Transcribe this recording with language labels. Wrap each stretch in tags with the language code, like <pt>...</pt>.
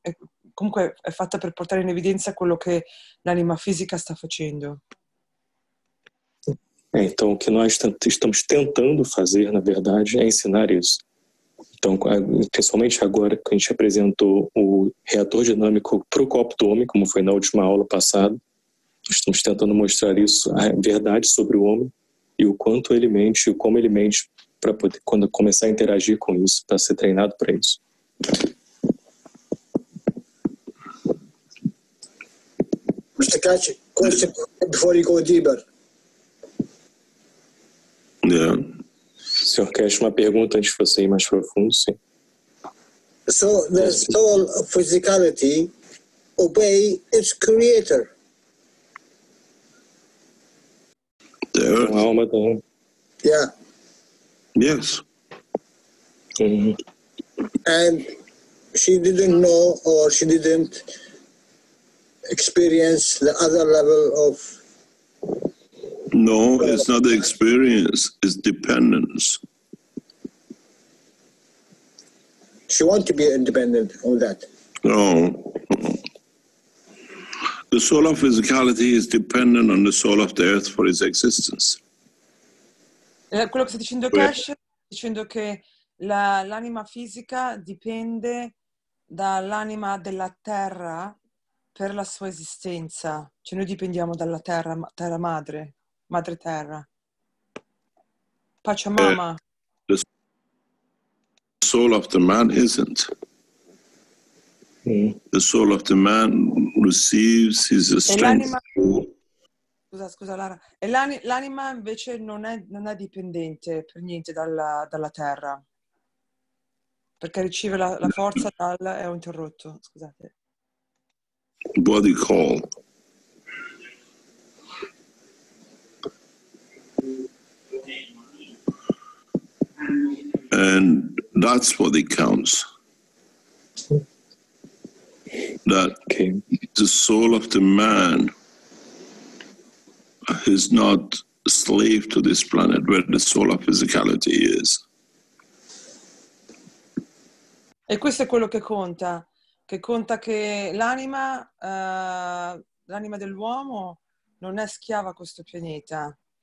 <it>E comunque è fatta per portare in evidenza quello che l'anima fisica sta facendo.</it> <pt>Então, o que nós estamos tentando fazer, na verdade, é ensinar isso. Então, principalmente agora que a gente apresentou o reator dinâmico para o copo do homem, como foi na última aula passada, estamos tentando mostrar isso, a verdade sobre o homem e o quanto ele mente e como ele mente para poder quando começar a interagir com isso, para ser treinado para isso.</pt> <en>Mr. Kachi, question before you go deeper. Yeah.</en> <pt>Senhor Cash, uma pergunta antes de você ir mais profundo, sim.</pt> <en>So, the soul of physicality obey its creator. The earth.</en> <pt>A alma da...</pt> <en>Yeah. Yes. Mm-hmm. And she didn't know or she didn't experience the other level of... No, it's not the experience, it's dependence. She wants to be independent of that. No. The soul of physicality is dependent on the soul of the earth for its existence.</en> <it>Quello che sta dicendo Cash, dicendo che l'anima fisica dipende dall'anima della terra per la sua esistenza. Cioè noi dipendiamo dalla terra, terra madre. Madre Terra. Pachamama.</it> <en>The soul of the man isn't. The soul of the man receives his strength.</en> <it>Scusa Lara. E l'anima invece non è dipendente per niente dalla terra. Perché riceve la forza dal... È interrotto, scusate.</it> <en>Body call. Okay. And that's what it counts. That the soul of the man is not slave to this planet where the soul of physicality is.</en> <it>E questo è quello che conta. Che conta che l'anima, l'anima dell'uomo non è schiava a questo pianeta.</it>